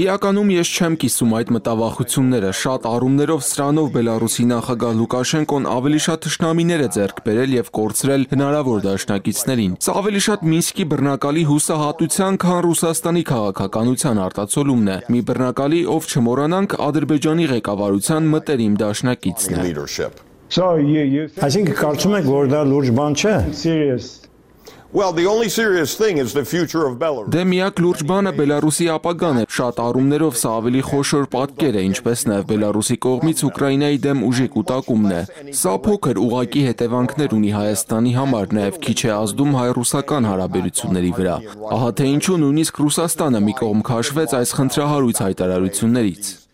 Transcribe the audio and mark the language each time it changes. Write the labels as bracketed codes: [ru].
[hy] Իրականում ես չեմ կիսում այդ մտավախությունները։ Շատ առումներով սրանով Բելարուսի նախագահ Լուկաշենկոն ավելի շատ թշնամիներ է ձեռք բերել և կորցրել հնարավոր դաշնակիցներին։ Սա ավելի շատ Մինսկի բռնակալի հուսահատության, քան Ռուսաստանի քաղաքականության արտացոլումն է։ Մի բռնակալի, ով չմոռանանք Ադրբեջանի ղեկավարության մտերիմ դաշնակիցն է։ Այսինքն կարծում եք, որ դա լուրջ բան չէ։ [en] Well, the only serious thing is the future of Belarus. [hy] Դե միակ լուրջ բանը Բելարուսի ապագան է։ Շատ առումներով սա ավելի խոշոր պատկեր է, ինչպես նաև Բելարուսի կողմից Ուկրաինայի դեմ ուժի կուտակումն է։ Սա փոքր ուղակի հետևանքներ ունի Հայաստանի համար, նաև քիչ է ազդում հայ-ռուսական հարաբերությունների վրա։ Ահա թե ինչու նույնիսկ Ռուսաստանը մի կողմ քաշվեց այս խնդրահարույց հայտարարություններից։